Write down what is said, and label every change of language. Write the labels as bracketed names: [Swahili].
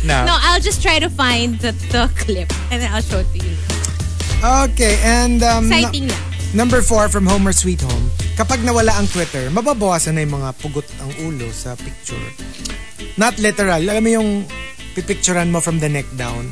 [English] No, I'll just try to find the clip and then I'll show it to you. Okay, and [Filipino] exciting lang. [English] Number 4 from Homer Sweet Home. [Filipino] Kapag nawala ang Twitter, mababawasan na yung mga pugot ang ulo sa picture. [English] Not literal. [Filipino] Alam mo yung pipicturan mo [English] from the neck down.